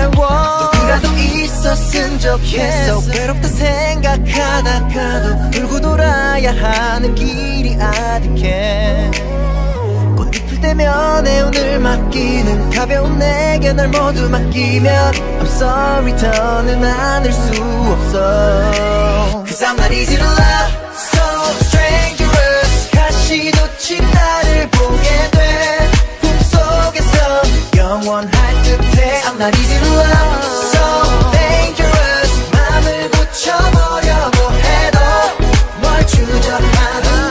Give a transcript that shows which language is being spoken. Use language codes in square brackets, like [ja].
[ko] 누구라도 있었음 좋겠어. 괴롭다 생각하다가도 들고 돌아야 하는 길이 아득해. 내면에 오늘 맡기는 가벼운 내게 날 모두 맡기면 [en] I'm sorry [ko] 더는 안을 수 없어. [en] 'Cause I'm not easy to love, so strangerous. [ko] 가시돋이 나를 보게 돼 꿈속에서 영원할 듯해. [en] I'm not easy to love, so dangerous. [ko] 마음을 고쳐보려고 해도 뭘 주저하는.